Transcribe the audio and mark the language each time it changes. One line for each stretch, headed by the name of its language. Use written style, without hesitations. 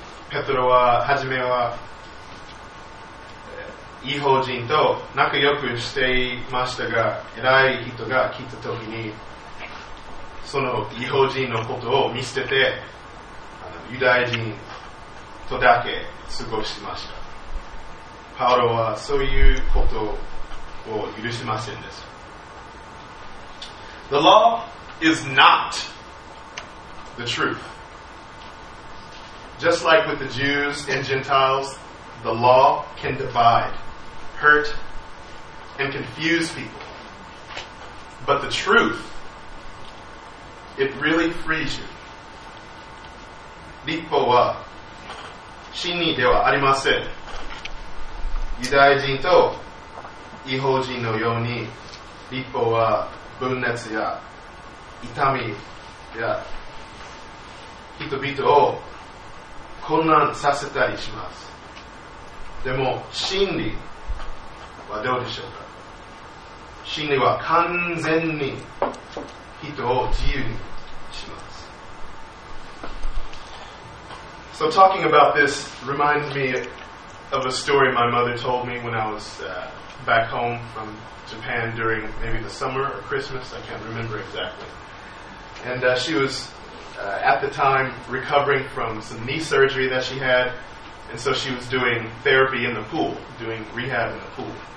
Japanese: ペトロははじめは異邦人と仲良くしていましたが、偉い人が来た時にその異邦人のことを見捨てて、ユダヤ人とだけ過ごしました。パウロはそういうことを許しませんでした
English: 。 The law is not the truthJust like with the Jews and Gentiles, the law can divide, hurt, and confuse people. But the truth, it really frees you.
Japanese: 立法は真理ではありません。ユダヤ人と異邦人のように、立法は分裂や痛みや人々を混乱させたりします。でも真理はどうでしょうか。真理は完全に人を自由にします。
English: So talking about this reminds me of a story my mother told me when I was back home from Japan during maybe the summer or Christmas. I can't remember exactly. And she was. At the time, recovering from some knee surgery that she had, and so she was doing therapy in the pool, doing rehab in the pool.